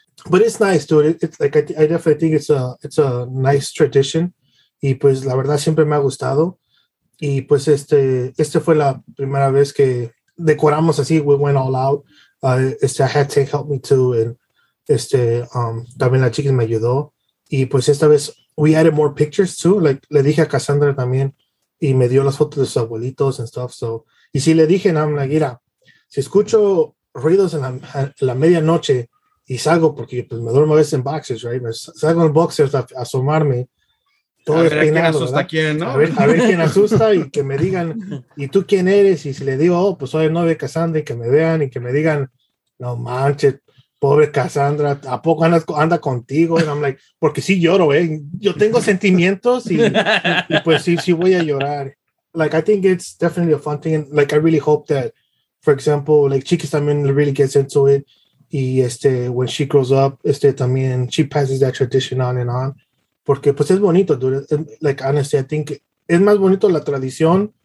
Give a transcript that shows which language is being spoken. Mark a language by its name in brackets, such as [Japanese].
[English] But it's nice, dude, it's like, I definitely think it's a nice tradition, [Spanish] y, pues, la verdad, siempre me ha gustado. Y pues este fue la primera vez que decoramos así, [English] we went all out. I had to help me too, and [Spanish] también la chica me ayudó. Y pues esta vez [English] we added more pictures too, like [Spanish] le dije a Cassandra también, y me dio las fotos de sus abuelitos [English] and stuff. [Spanish] So, y si le dije, [English] I'm like, [Spanish] mira, si escucho ruidos en la medianoche y salgo, porque pues me duermo a veces en boxers, right? Me salgo en boxers a asomarme. Todo a ver peinado, a quién asusta, ¿verdad? Quién, ¿no? A ver quién asusta, y que me digan, ¿y tú quién eres? Y si le digo, oh, pues soy el novio de Cassandra, y que me vean y que me digan, no manches, pobre Cassandra, ¿a poco anda contigo? [English] And I'm like, [Spanish] porque sí lloro, ¿eh? Yo tengo sentimientos y pues sí voy a llorar. [English] Like, I think it's definitely a fun thing. Like, I really hope that, for example, like, Chiquis [Spanish] también [English] really gets into it. Y when she grows up, también, she passes that tradition on and on. [Spanish] Porque, pues, es bonito, [English] dude. Like, honestly, I think [Spanish] es más bonito la tradición